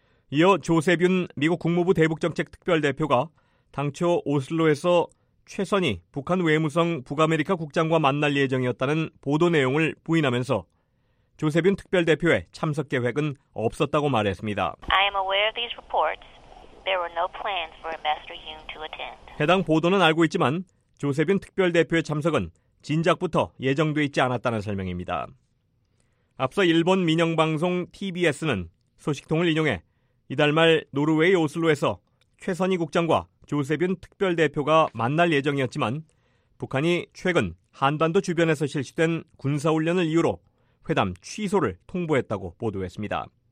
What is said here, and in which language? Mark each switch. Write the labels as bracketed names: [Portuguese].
[Korean] 이어 조세빈 미국 국무부 대북정책특별대표가 당초 오슬로에서 최선희 북한 외무성 북아메리카 국장과 만날 예정이었다는 보도 내용을 부인하면서 조세빈 특별대표의 참석 계획은 없었다고 말했습니다. [English] I am aware of these reports. There were no plans for Ambassador Yoon to attend. [Korean] 해당 보도는 알고 있지만 조세빈 특별대표의 참석은 진작부터 예정돼 있지 않았다는 설명입니다. 앞서 일본 민영방송 TBS는 소식통을 인용해 이달 말 노르웨이 오슬로에서 최선희 국장과 조세빈 특별대표가 만날 예정이었지만 북한이 최근 한반도 주변에서 실시된 군사훈련을 이유로 회담 취소를 통보했다고 보도했습니다.